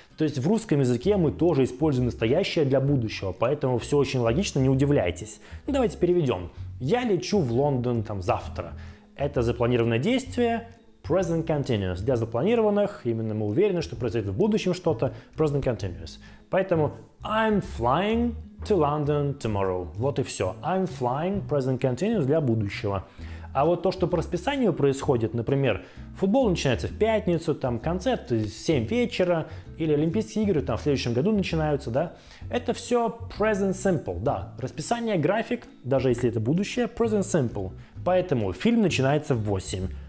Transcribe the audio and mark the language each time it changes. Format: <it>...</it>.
<ru>То есть в русском языке мы тоже используем настоящее для будущего, поэтому все очень логично, не удивляйтесь. Ну, давайте переведем. Я лечу в Лондон там завтра. Это запланированное действие, present continuous. Для запланированных, именно мы уверены, что произойдет в будущем что-то, present continuous. Поэтому</ru> <en>I'm flying to London tomorrow.</en> <ru>Вот и все.</ru> <en>I'm flying, present continuous,</en> <ru>для будущего. А вот то, что по расписанию происходит, например, футбол начинается в пятницу, там концерт в 7 вечера, или Олимпийские игры там в следующем году начинаются, да, это все present simple, да. Расписание, график, даже если это будущее, present simple. Поэтому фильм начинается в 8.</ru>